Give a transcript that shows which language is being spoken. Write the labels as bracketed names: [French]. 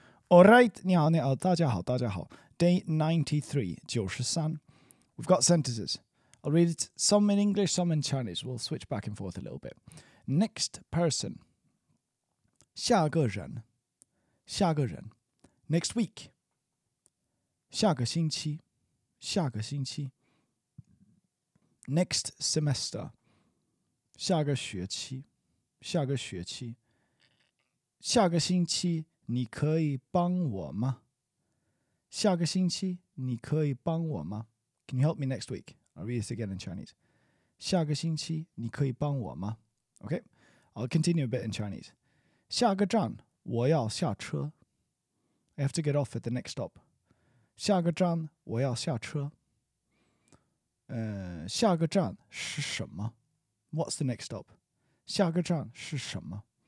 [English] All right, [Chinese] 你好，你好，大家好，大家好。 [English] Day 93, 93. We've got sentences. I'll read it, some in English, some in Chinese. We'll switch back and forth a little bit. Next person. [Chinese] 下个人。下个人。 [English] Next week. [Chinese] 下个星期。下个星期。 [English] Next semester. [Chinese] 下个学期。下个学期。下个星期。你可以帮我吗？下个星期你可以帮我吗？ [English] Can you help me next week? I'll read this again in Chinese. [Chinese] 下个星期你可以帮我吗？ [English] Okay, I'll continue a bit in Chinese. [Chinese] 下个站我要下车。 [English] I have to get off at the next stop. [Chinese] 下个站我要下车。下个站是什么？ [English] What's the next stop? [Chinese] 下个站是什么？